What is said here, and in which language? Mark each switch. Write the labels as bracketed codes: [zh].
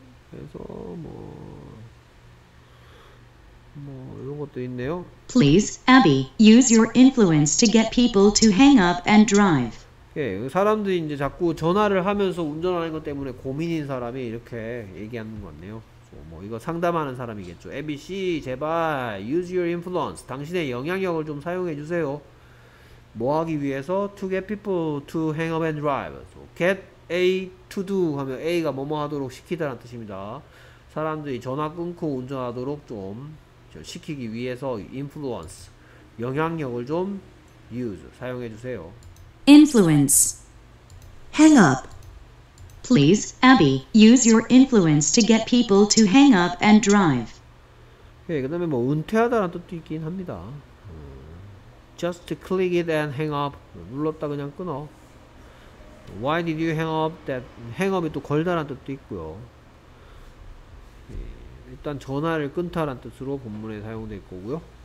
[ko] 그래서 뭐 이런 것도 있네요. [en] Please, Abby, use your influence to get people to hang up and drive. [ko] 예, 사람들이 이제 자꾸 전화를 하면서 운전하는 것 때문에 고민인 사람이 이렇게 얘기하는 것 같네요. 뭐 이거 상담하는 사람이겠죠. [en] Abby 씨, 제발 use your influence. [ko] 당신의 영향력을 좀 사용해 주세요. [en] 뭐 하기 위해서 to get people to hang up and drive. [ko] So get A to do 하면 A가 뭐뭐 하도록 시키다라는 뜻입니다. 사람들이 전화 끊고 운전하도록 좀 시키기 위해서 influence 영향력을 좀 use 사용해 주세요. [en] Influence. Hang up. Please, Abby, use your influence to get people to hang up and drive. [ko] 예, 그다음에 뭐 은퇴하다라는 뜻도 있긴 합니다. [en] Just click it and hang up. 눌렀다 그냥 끊어. Why did you hang up? [ko] That hang up이 또 걸다라는 뜻도 있고요. 일단 전화를 끊다라는 뜻으로 본문에 사용될 거고요.